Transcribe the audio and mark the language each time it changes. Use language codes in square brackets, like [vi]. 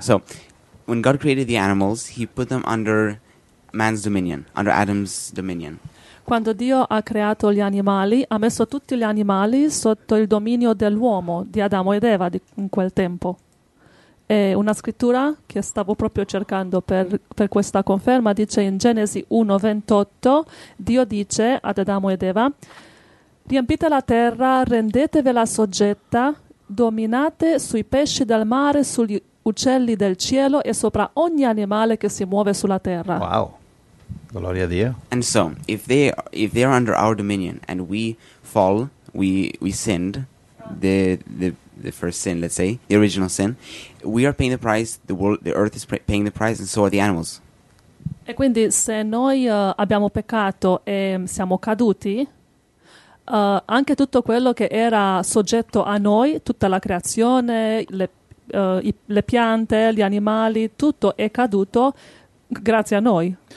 [en] So, when God created the animals, he put them under man's dominion, under Adam's dominion. [it] Quando Dio ha creato gli animali, ha messo tutti gli animali sotto il dominio dell'uomo, di Adamo ed Eva, in quel tempo. E una scrittura che stavo proprio cercando per questa conferma dice in Genesi 1:28, Dio dice ad Adamo ed Eva, riempite la terra, rendetevela soggetta, dominate sui pesci del mare, sugli uccelli del cielo e sopra ogni animale che si muove sulla terra. Wow, gloria a Dio. [en] And so, if they are under our dominion and we fall, we sinned, the first sin, let's say, the original sin, we are paying the price, the earth is paying the price and so are the animals. [it] E quindi se noi abbiamo peccato e siamo caduti, anche tutto quello che era soggetto a noi, tutta la creazione, le piante, gli animali, tutto è caduto grazie a noi.